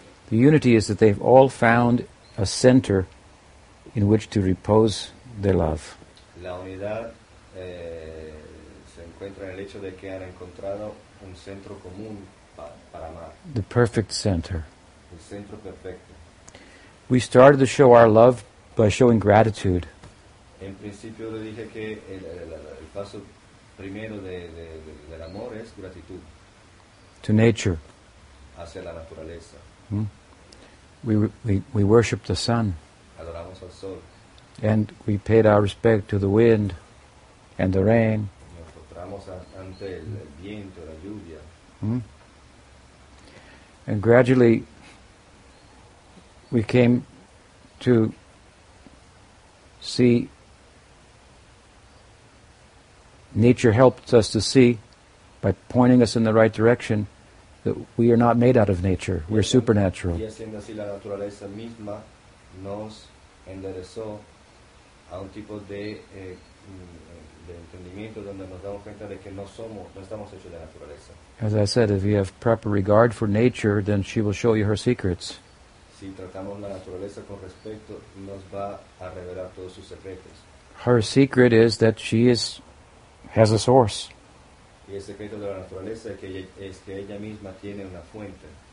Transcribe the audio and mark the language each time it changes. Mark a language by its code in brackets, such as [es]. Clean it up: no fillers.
[en] The unity is that they've all found a center in which to repose their love. [es] La unidad se encuentra en el hecho de que han encontrado un centro común para amar. [en] The perfect center. [es] El centro perfecto. [en] We started to show our love by showing gratitude. [es] En principio le dije que el paso primero del amor es gratitud. [en] To nature. [es] Hacia la naturaleza. [en] We worship the sun. [es] Adoramos al sol. [en] And we paid our respect to the wind and the rain. [es] Nos postramos ante el viento, la lluvia. [en] And gradually we came to see, nature helped us to see by pointing us in the right direction that we are not made out of nature, we're supernatural. [es] Y haciendo así la naturaleza misma nos enderezó a un tipo de entendimiento donde nos damos cuenta de que no estamos hechos de naturaleza. [en] As I said, if you have proper regard for nature, then she will show you her secrets. [es] Si tratamos la naturaleza con respeto, nos va a revelar todos sus secretos. [en] Her secret is that she has a source. [es] Y el secreto de la naturaleza es que ella misma tiene una fuente.